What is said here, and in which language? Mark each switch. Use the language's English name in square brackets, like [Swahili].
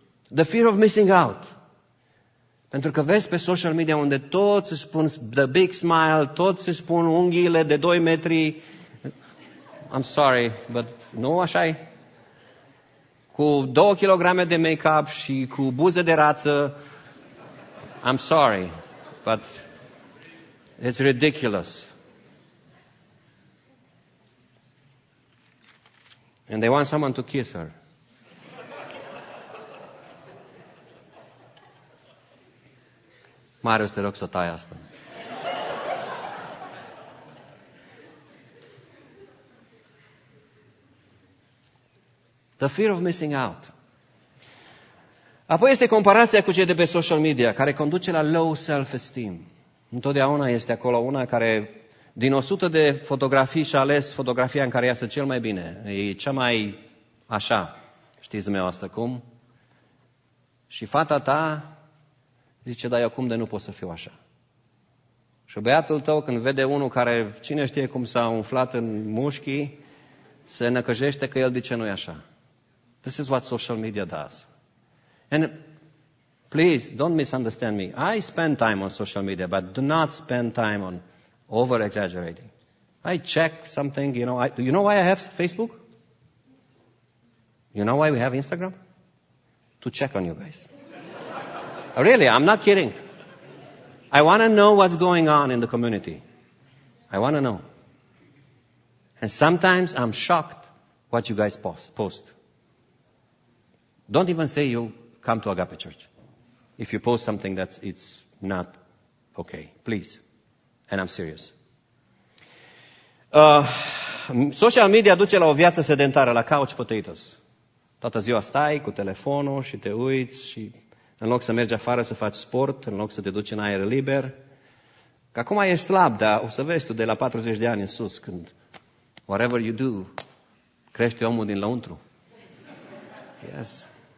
[English] The fear of missing out. [Romanian] Pentru că vezi pe social media unde toți își spun [English] the big smile, [Romanian] toți își spun unghiile de 2 metri. [English] I'm sorry, but [Romanian] nu așa e? Cu 2 kilograme de make-up și cu buze de rață. [English] I'm sorry, but it's ridiculous. And they want someone to kiss her. [Romanian] Marius, te rog să o tai asta. [English] The fear of missing out. [Romanian] Apoi este comparația cu cei de pe social media, care conduce la [English] low self-esteem. [Romanian] Întotdeauna este acolo una care, din 100 de fotografii, și-a ales fotografia în care iasă cel mai bine. E cea mai așa, știți meu asta cum? Și fata ta zice, dar eu cum de nu pot să fiu așa? Și băiatul tău, când vede unul care, cine știe cum s-a umflat în mușchii, se năcăjește că el zice, nu-i așa. [English] This is what social media does. And please, don't misunderstand me. I spend time on social media, but do not spend time on over-exaggerating. I check something, you know. Do you know why I have Facebook? You know why we have Instagram? To check on you guys. Really, I'm not kidding. I want to know what's going on in the community. I want to know. And sometimes I'm shocked what you guys post. Don't even say you come to Agape Church. If you post something that's it's not okay, please. And I'm serious. [Romanian] Social media duce la o viață sedentară, la couch potatoes. Toată ziua stai cu telefonul și te uiți și în loc să mergi afară să faci sport, în loc să te duci în aer liber. Că acum ești slab, dar o să vezi tu de la 40 de ani în sus, când [English] whatever you do, [Romanian] crește omul din lăuntru. Yes.